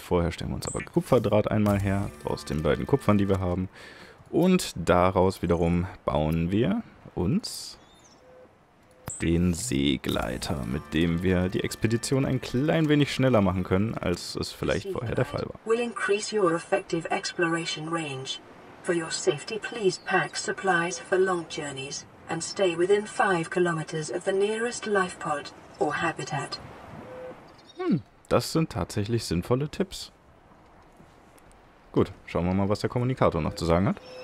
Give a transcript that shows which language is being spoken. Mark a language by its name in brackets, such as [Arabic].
[German] Vorher stellen wir uns aber Kupferdraht einmal her, aus den beiden Kupfern, die wir haben. Und daraus wiederum bauen wir uns den Seegleiter, mit dem wir die Expedition ein klein wenig schneller machen können, als es vielleicht vorher der Fall war. [English] Will increase your effective exploration range. For your safety, please pack supplies for long journeys and stay within 5 kilometers of the nearest life pod or habitat. [German] Das sind tatsächlich sinnvolle Tipps. Gut, schauen wir mal, was der Kommunikator noch zu sagen hat.